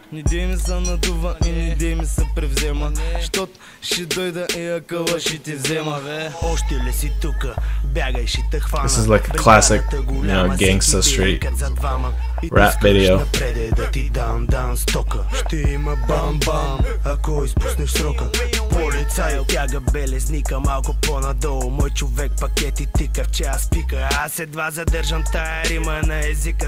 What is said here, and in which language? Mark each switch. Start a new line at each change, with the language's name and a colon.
Bulgarian: Не дей ми са надува и не дей ми са превзема. Щот ще дойда и акъла ще ти взема. Още ли си тука, бягай ще те хвана.
English: This is like a classic, you know, gangsta street rap video.
Bulgarian: Преди да ти дам дан стока, ще има бам-бам, ако изпуснеш срока. Полицай тяга белезника малко по-надолу. Мой човек пакети тика, че аз пика. Аз едва задържам тая рима на езика.